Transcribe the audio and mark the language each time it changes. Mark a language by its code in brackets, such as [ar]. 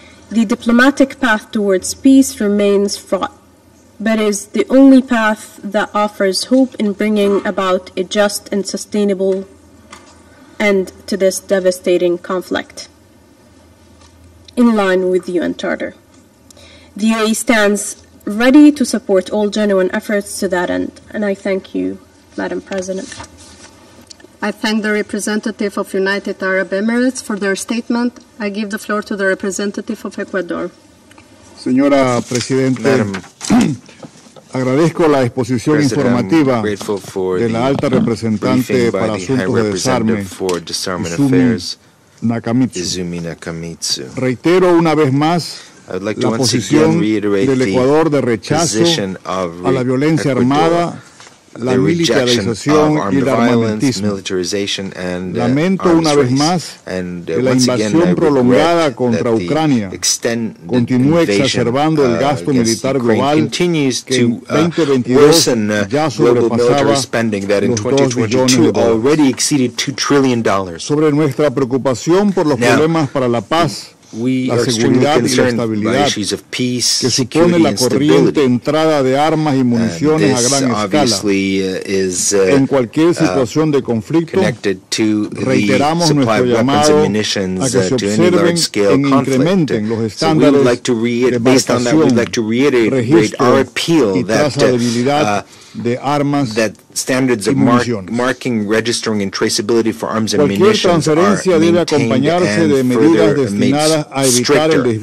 [en] The diplomatic path towards peace remains fraught, but is the only path that offers hope in bringing about a just and sustainable end to this devastating conflict, in line with the UN Charter. The UAE stands ready to support all genuine efforts to that end, and I thank you, Madam President. I thank the representative of United Arab Emirates for their statement. I give the floor to the representative of Ecuador. [es] Señora Presidente, agradezco la exposición informativa de la alta representante para asuntos de desarme, Izumi Nakamitsu. Reitero una vez más la posición del Ecuador de rechazo a la violencia armada, la militarización y el armamentismo. Lamento una vez más que la invasión prolongada contra Ucrania continúe exacerbando el gasto militar global que en 2022 ya sobrepasaba los 2 [en] trillion dollars. [es] Sobre nuestra preocupación por los problemas para la paz, [en] we are extremely concerned by issues of peace, security, and stability. And this obviously is connected to the supply of weapons and munitions to any large scale conflict. So we would like to reiterate, based on that, we would like to reiterate our appeal that standards of marking, registering, and traceability for arms and munitions are maintained and further made stricter.